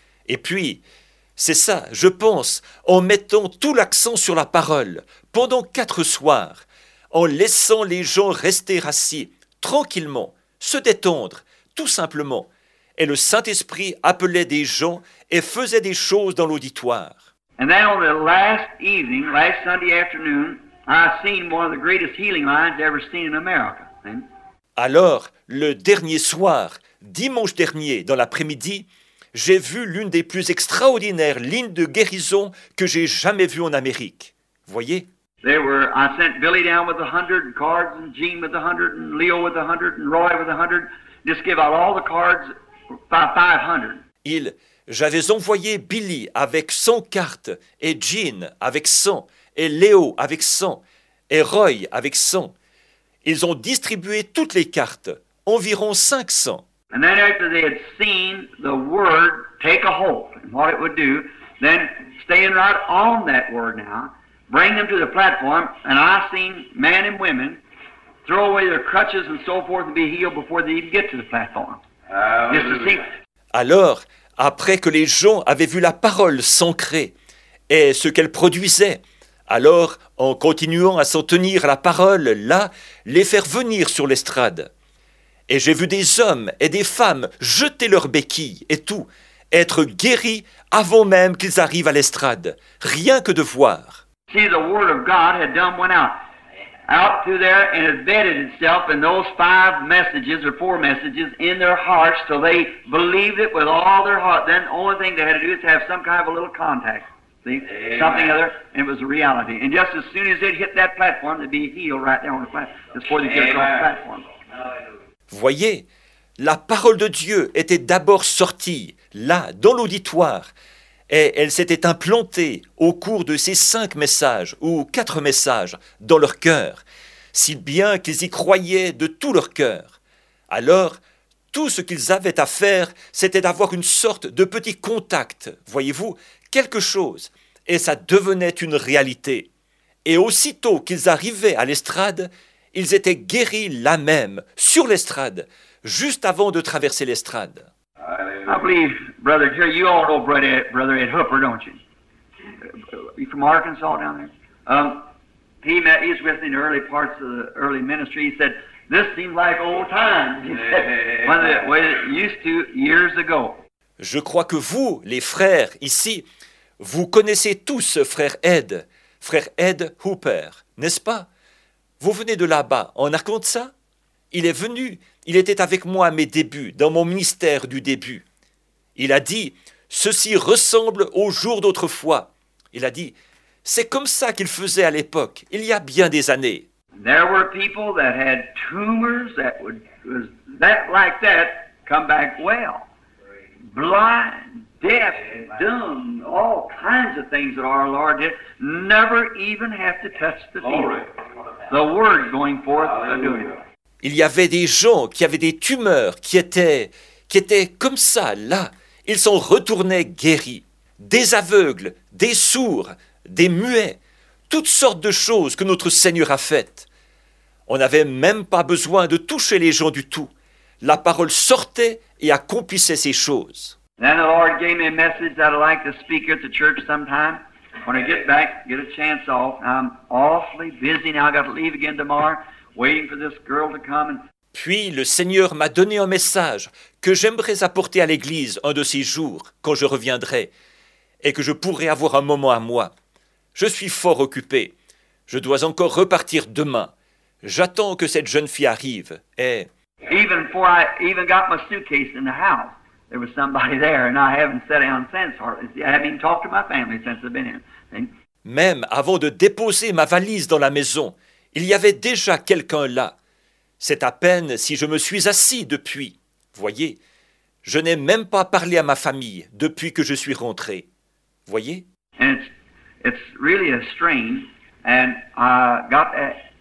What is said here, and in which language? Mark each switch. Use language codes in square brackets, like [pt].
[fr] Et puis, c'est ça, je pense, en mettant tout l'accent sur la parole, pendant 4 soirs, en laissant les gens rester assis, tranquillement, se détendre, tout simplement. Et le Saint-Esprit appelait des gens et faisait des choses dans l'auditoire. [en] And then on the last evening, last Sunday afternoon, I seen one of the greatest healing lines ever seen in America. [fr] Alors, le dernier soir, dimanche dernier, dans l'après-midi, j'ai vu l'une des plus extraordinaires lignes de guérison que j'ai jamais vues en Amérique. Voyez. [en] I sent Billy down with 100, and cards, and Gene with 100, and Leo with 100, and Roy with 100. Just give out all the cards, 500. [fr] J'avais envoyé Billy avec 100 cartes, et Jean avec 100, et Léo avec 100, et Roy avec 100. Ils ont distribué toutes les cartes, environ 500. [en] And then after they had seen the word take a hold and what it would do, then staying right on that word now, bring them to the platform, and I seen men and women throw away their crutches and so forth and be healed before they even get to the platform. Just to see. [fr] Alors, après que les gens avaient vu la parole s'ancrer et ce qu'elle produisait, alors, en continuant à s'en tenir à la parole, là, les faire venir sur l'estrade. Et j'ai vu des hommes et des femmes jeter leurs béquilles et tout, être guéris avant même qu'ils arrivent à l'estrade, rien que de voir. [en] See, the word of God had done went out through there and embedded itself in those five messages or four messages in their hearts till they believed it with all their heart. Then the only thing they had to do is have some kind of a little contact. See, something other, and it was a reality. And just as soon as it hit that platform, they'd be healed right there on the platform, before they get across the platform. [fr] Voyez, la parole de Dieu était d'abord sortie, là, dans l'auditoire, et elle s'était implantée au cours de ces cinq messages, ou quatre messages, dans leur cœur, si bien qu'ils y croyaient de tout leur cœur. Alors, tout ce qu'ils avaient à faire, c'était d'avoir une sorte de petit contact, voyez-vous, quelque chose, et ça devenait une réalité. Et aussitôt qu'ils arrivaient à l'estrade, ils étaient guéris là même, sur l'estrade, juste avant de traverser l'estrade. [en] I believe, brother, you all know brother Ed Hooper, don't you? You from Arkansas down there? He's with me in the early parts of the early ministry. He said, this seems like old times. He said, when it used to years ago. [fr] Je crois que vous, les frères ici, vous connaissez tous frère Ed Hooper, n'est-ce pas? Vous venez de là-bas, en Arkansas? Il est venu, il était avec moi à mes débuts, dans mon ministère du début. Il a dit, ceci ressemble aux jours d'autrefois. Il a dit, c'est comme ça qu'il faisait à l'époque, il y a bien des années. [en] There were people that had tumors that would, was that like that, come back well. Blind, deaf, dumb, all kinds of things that our Lord did, never even have to touch the feet. The word going forth and doing it. [fr] Il y avait des gens qui avaient des tumeurs qui étaient comme ça, là. Ils s'en retournaient guéris. Des aveugles, des sourds, des muets, toutes sortes de choses que notre Seigneur a faites. On n'avait même pas besoin de toucher les gens du tout. La parole sortait et accomplissait ces choses. [en] Then the Lord gave me a message that I'd like to speak at the church sometime. When I get back, get a chance off. I'm awfully busy now. I've got to leave again tomorrow, waiting for this girl to come. [fr] Puis le Seigneur m'a donné un message que j'aimerais apporter à l'église un de ces jours, quand je reviendrai, et que je pourrai avoir un moment à moi. Je suis fort occupé. Je dois encore repartir demain. J'attends que cette jeune fille arrive, et... [en] Even before I even got my suitcase in the house, there was somebody there, and I haven't sat down since. Hardly. See, I haven't even talked to my family since I've been here. And [fr] même avant de déposer ma valise dans la maison, il y avait déjà quelqu'un là. C'est à peine si je me suis assis depuis. Voyez, je n'ai même pas parlé à ma famille depuis que je suis rentré. Voyez. [en] And it's really a strain, and I got that.